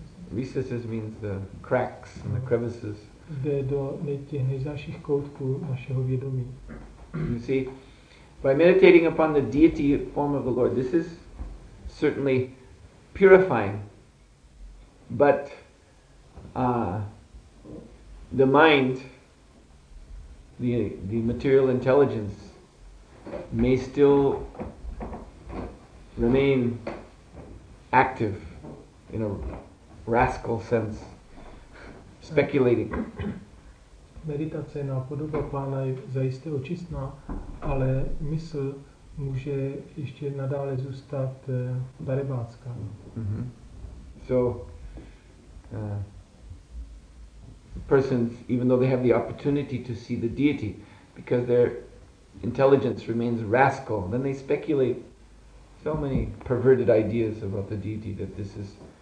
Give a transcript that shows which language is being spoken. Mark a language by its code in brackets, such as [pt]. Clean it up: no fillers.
[en] Recesses means the cracks and the crevices. [cs] Jde do těch nejzáších koutků našeho vědomí. [en] You see, by meditating upon the deity form of the Lord, this is certainly purifying, but the mind, the material intelligence, may still remain active in a rascal sense, speculating. [cs] Meditace na podobu Pána je zajisté očistná, ale mysl může ještě nadále zůstat darebácká. [en] So persons, even though they have the opportunity to see the deity, because their intelligence remains rascal, then they speculate so many perverted ideas about the deity, that this is